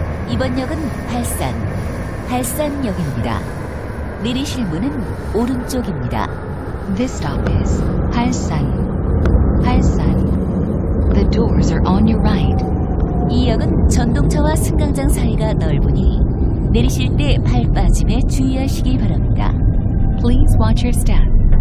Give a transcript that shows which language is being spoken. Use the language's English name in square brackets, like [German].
[Korean] 이번 역은 할산, 할산역입니다. 내리실 문은 오른쪽입니다. [English] This stop is 할산, 할산. The doors are on your right. [Korean] 이 역은 전동차와 승강장 사이가 넓으니 내리실 때 발 빠짐에 주의하시길 바랍니다. [English] Please watch your step.